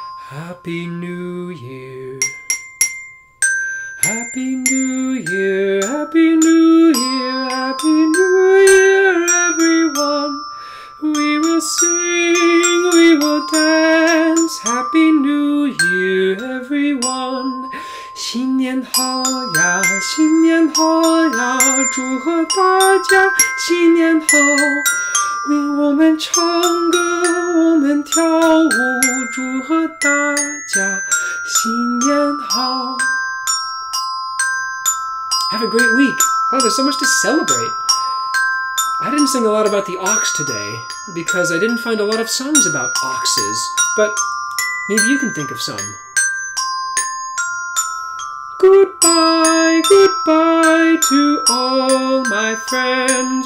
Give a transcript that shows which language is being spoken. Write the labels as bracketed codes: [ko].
[en] Happy New Year. Happy New Year. Happy New Year. Happy New Year, everyone. We will sing, we will dance. Happy New Year, everyone. [zh] 新年好呀,新年好呀, 祝贺大家新年好。为我们唱歌,我们跳舞, 祝贺大家新年好。 [en] Have a great week. Oh, there's so much to celebrate. I didn't sing a lot about the ox today, because I didn't find a lot of songs about oxes, but maybe you can think of some. Goodbye, goodbye to all my friends.